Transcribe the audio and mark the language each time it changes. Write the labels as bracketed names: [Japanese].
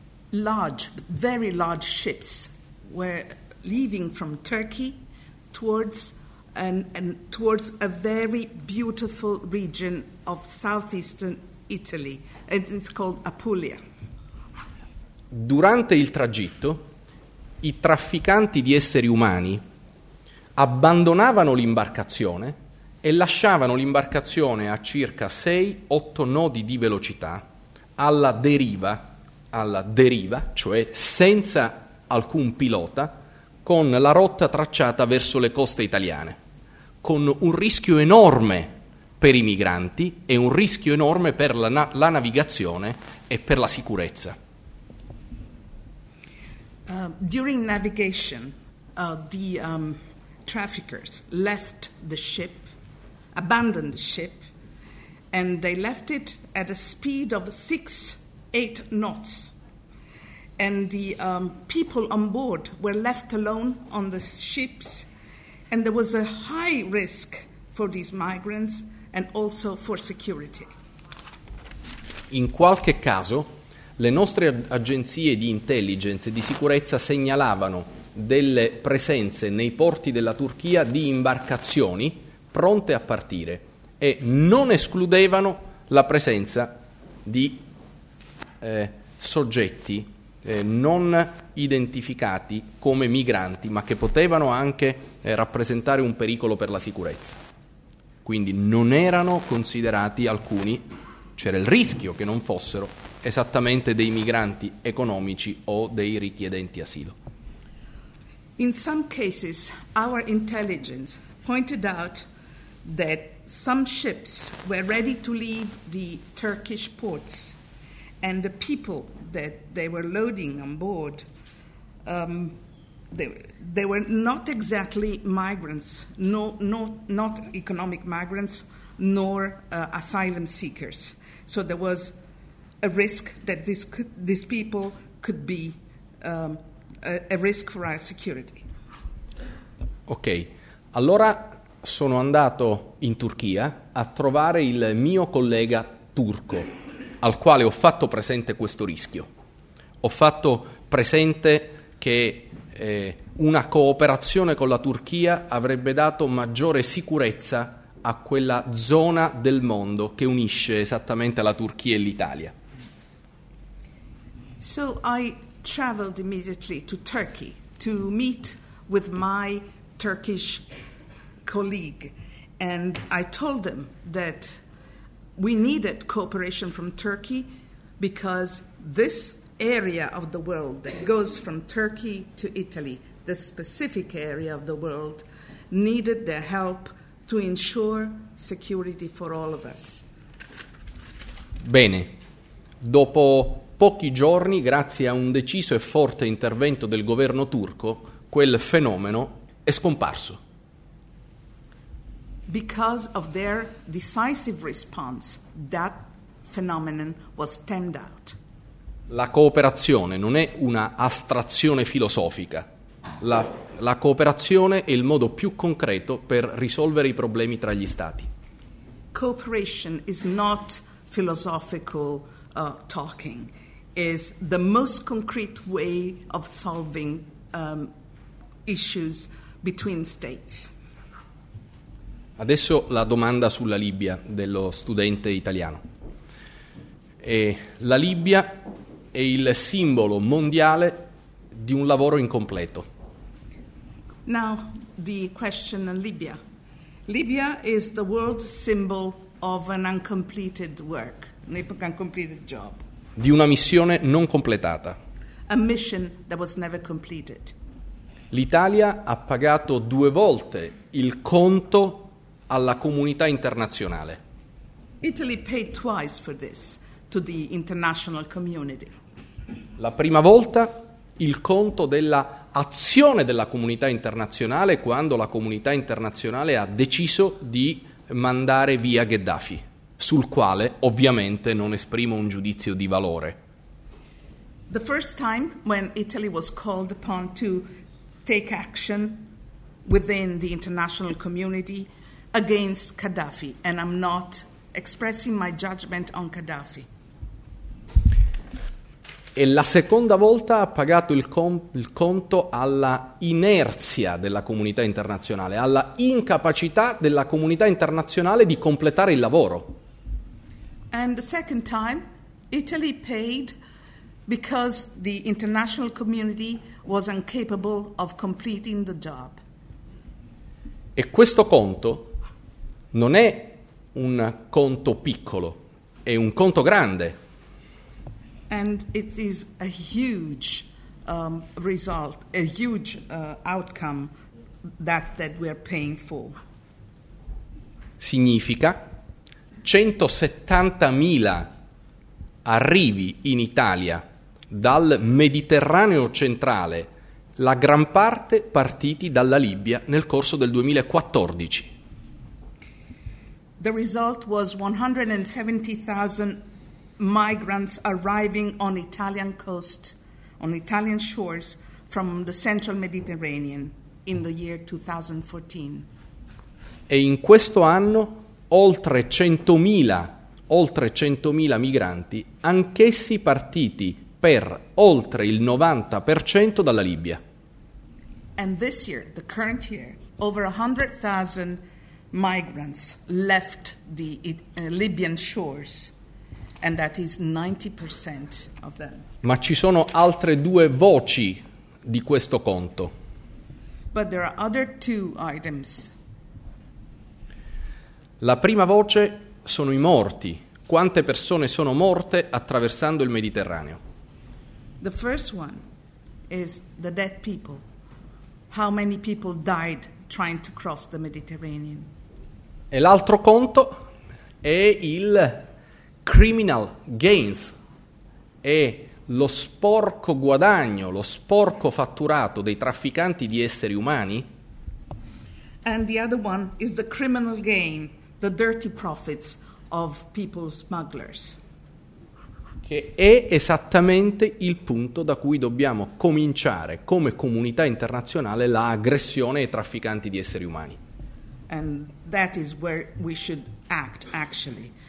[English] Large, very large ships were leaving from Turkey towards a very beautiful region of southeastern Italy, and it's called Apulia. [Italian] Durante il tragitto, i trafficanti di esseri umani abbandonavano l'imbarcazione e lasciavano l'imbarcazione a circa 6-8 nodi di velocità alla deriva, cioè senza alcun pilota, con la rotta tracciata verso le coste italiane, con un rischio enorme per i migranti e un rischio enorme per la navigazione e per la sicurezza. [English] During navigation, the traffickers left the ship, abandoned the ship, and they left it at a speed of 6-8 knots. And the people on board were left alone on the ships, and there was a high risk for these migrants and also for security. [Italian] In qualche caso, le nostre agenzie di intelligence e di sicurezza segnalavano delle presenze nei porti della Turchia di imbarcazioni pronte a partire e non escludevano la presenza di soggetti non identificati come migranti, ma che potevano anche rappresentare un pericolo per la sicurezza. Quindi non erano considerati alcuni, c'era il rischio che non fossero esattamente dei migranti economici o dei richiedenti asilo. [English] In some cases, our intelligence pointed out that some ships were ready to leave the Turkish ports, and the people that they were loading on board, they were not exactly migrants, not economic migrants, nor asylum seekers. So there was a risk that these people could be a risk for our security. [Italian] Ok, allora sono andato in Turchia a trovare il mio collega turco, al quale ho fatto presente questo rischio. Ho fatto presente che una cooperazione con la Turchia avrebbe dato maggiore sicurezza a quella zona del mondo che unisce esattamente la Turchia e l'Italia. [English] So I traveled immediately to Turkey to meet with my Turkish colleague. And I told them that we needed cooperation from Turkey because this area of the world that goes from Turkey to Italy, this specific area of the world, needed their help to ensure security for all of us. [Italian] Bene. Dopo pochi giorni, grazie a un deciso e forte intervento del governo turco, quel fenomeno è scomparso. [English] Because of their decisive response, that phenomenon was tamed out. [Italian] La cooperazione non è una astrazione filosofica. La cooperazione è il modo più concreto per risolvere i problemi tra gli stati. [English] Cooperation is not philosophical talking. It's the most concrete way of solving issues between states. [Italian] Adesso la domanda sulla Libia dello studente italiano. La Libia è il simbolo mondiale di un lavoro incompleto. [English] Now, the question on Libya. Libya is the world symbol of an uncompleted work, an uncompleted job. [Italian] Di una missione non completata. [English] A mission that was never completed. [Italian] L'Italia ha pagato due volte il conto alla comunità internazionale. [English] Italy paid twice for this to the international community. [Italian] La prima volta il conto della azione della comunità internazionale quando la comunità internazionale ha deciso di mandare via Gheddafi, sul quale ovviamente non esprimo un giudizio di valore. [English] The first time when Italy was called upon to take action within the international community against Gaddafi, and I'm not expressing my judgment on Gaddafi. [Italian] E la seconda volta ha pagato il conto alla inerzia della comunità internazionale, alla incapacità della comunità internazionale di completare il lavoro. [English] And the second time, Italy paid because the international community was incapable of completing the job. [Italian] E questo conto non è un conto piccolo, è un conto grande. [English] And it is a huge result, a huge outcome that we are paying for. [Italian] Significa 170.000 arrivi in Italia dal Mediterraneo centrale, la gran parte partiti dalla Libia nel corso del 2014. [English] The result was 170,000 migrants arriving on Italian coast, on Italian shores, from the central Mediterranean in the year 2014. [Italian] E in questo anno oltre 100.000 migranti, anch'essi partiti per oltre il 90% dalla Libia. [English] And this year, the current year, over 100,000 migrants left the Libyan shores. And that is 90% of them. [Italian] Ma ci sono altre due voci di questo conto. [English] But there are other two items. [Italian] La prima voce sono i morti. Quante persone sono morte attraversando il Mediterraneo? [English] The first one is the dead people. How many people died trying to cross the Mediterranean? [Italian] E l'altro conto è il criminal gains, è lo sporco guadagno, lo sporco fatturato dei trafficanti di esseri umani. [English] And the other one is the criminal gain, the dirty profits of people smugglers. [Italian] Che è esattamente il punto da cui dobbiamo cominciare come comunità internazionale l'aggressione ai trafficanti di esseri umani. [English] And that is where we should act, actually.